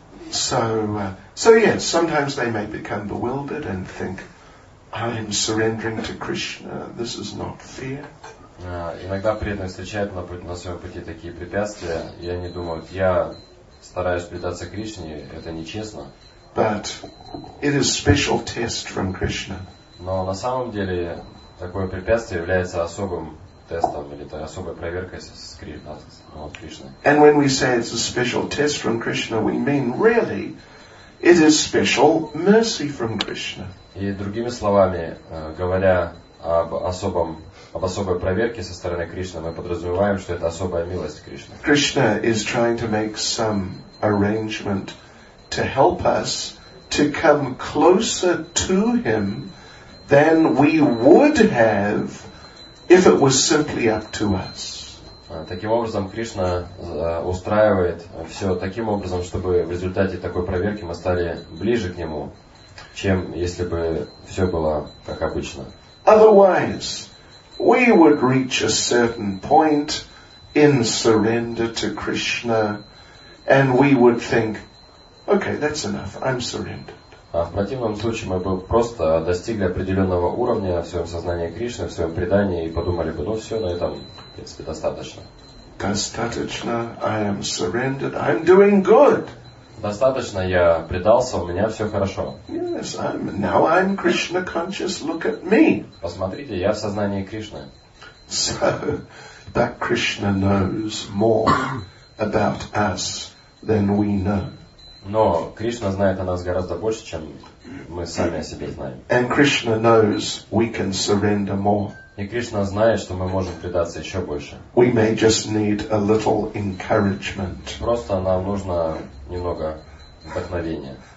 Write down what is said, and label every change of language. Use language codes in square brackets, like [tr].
[en] So, sometimes they may become bewildered and think, I am surrendering to Krishna, this is not fair. [ru] Иногда преданные встречают на своем пути такие препятствия, и они думают, я стараюсь предаться Кришне, это нечестно. [en] But it is special test from Krishna. [ru] Но на самом деле такое препятствие является особым тестом или особой проверкой от Кришны. [en] And when we say it's a special test from Krishna, we mean really it is special mercy from Krishna. [ru] И другими словами, говоря об особой проверке со стороны Кришны, мы подразумеваем, что это особая милость Кришны. [en] Krishna is trying to make some arrangement to help us to come closer to him than we would have if it was simply up to us. [ru] Таким образом, Кришна устраивает все таким образом, чтобы в результате такой проверки мы стали ближе к Нему, чем если бы все было как обычно. [en] Otherwise, we would reach a certain point in surrender to Krishna, and we would think, okay, that's enough, I'm surrendered. [ru] А в противном случае мы бы просто достигли определенного уровня в своем сознании Кришны, в своем предании, и подумали бы, ну все, на этом, в принципе, достаточно. Достаточно, [en] I am surrendered, I'm doing good. [ru] Достаточно, я предался, у меня все хорошо. [en] Yes, now I'm Krishna conscious, look at me. [ru] Посмотрите, я в сознании Кришны. [en] So, that Krishna knows more about us than we know. [ru] Но Кришна знает о нас гораздо больше, чем мы сами о себе знаем. [en] And Krishna knows we can surrender more. [ru] И Кришна знает, что мы можем предаться еще больше. [en] We may just need a little encouragement. [ru] Просто нам нужно немного вдохновения.